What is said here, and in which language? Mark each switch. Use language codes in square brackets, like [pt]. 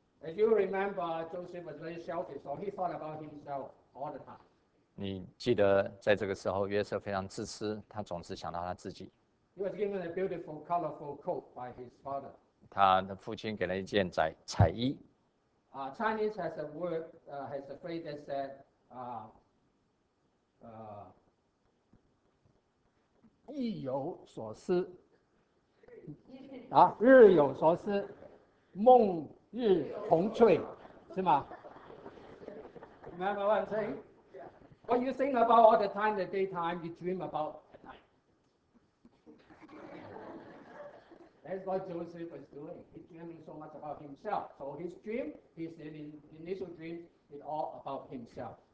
[en] As you remember, Joseph was very selfish, so he thought about himself all the time. [zh] 你记得在这个时候，约瑟非常自私，他总是想到他自己。 [en] He was given a beautiful, colorful coat by his father. [zh] 他的父亲给了一件彩衣。 [en] Chinese has a word, has a phrase that said, [zh] 日有所思。啊，日有所思，梦日同睡，是吗？ [en] Remember what I'm saying? What you think about all the time, the daytime, you dream about at night. That's what Joseph was doing. He's dreaming so much about himself. So his dream, his initial dream, is all about himself.